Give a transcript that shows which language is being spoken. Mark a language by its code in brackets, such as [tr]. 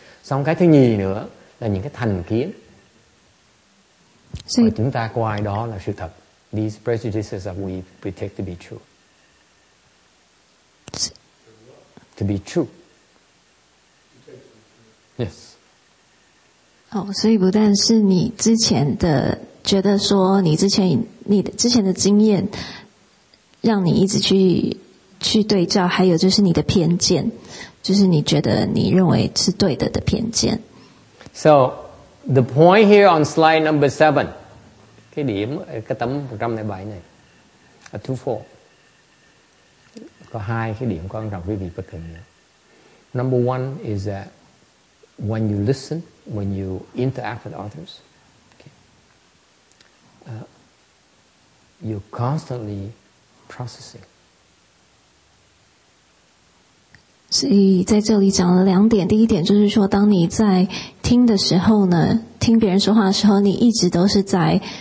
[vi] Xong cái thứ nhì nữa là những cái thành kiến mà chúng ta coi đó là sự thật. [en] These prejudices that we pretend to be true. To be true. Yes. [zh] 所以不但是你之前的觉得说你之前的经验让你一直去对照，还有就是你的偏见，就是你觉得你认为是对的的偏见。 [en] So The point here on slide number 7, [vi] cái điểm cái tấm 107 này, a 24, có hai cái điểm quan trọng quý vị phải cần nhớ. [en] Number one is that when you listen, when you interact with others, okay, you're constantly processing. [zh] 所以在这里讲了两点，第一点就是说，当你在听的时候呢，听别人说话的时候，你一直都是在，